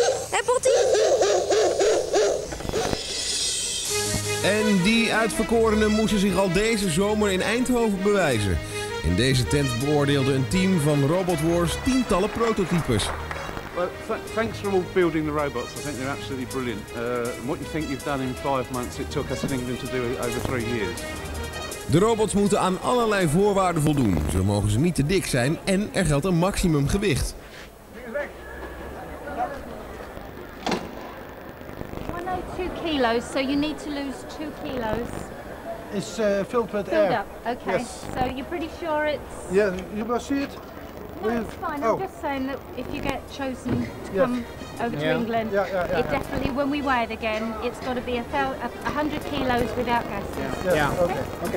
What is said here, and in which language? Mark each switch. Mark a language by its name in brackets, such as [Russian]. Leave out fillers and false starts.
[Dutch] Hé, Potty? En die uitverkorenen moesten zich al deze zomer in Eindhoven bewijzen. In deze tent beoordeelde een team van Robot Wars tientallen prototypes. [English] Well, thanks for all building the robots. I think they're absolutely brilliant. What you think you've done in 5 months, it took us in England to do it over 3 years. [Dutch] De robots moeten aan allerlei voorwaarden voldoen. Zo mogen ze niet te dik zijn en er geldt een maximum gewicht. [English] I know 2 kilos, so you need to lose 2 kilos. It's filled with air. Filled up, okay. Yes. So you're pretty sure it's... Yeah, you must see it. No, it's fine. Oh. I'm just saying that if you get chosen to come over to England, it definitely, when we weigh it again, it's got to be 100 kilos without gas.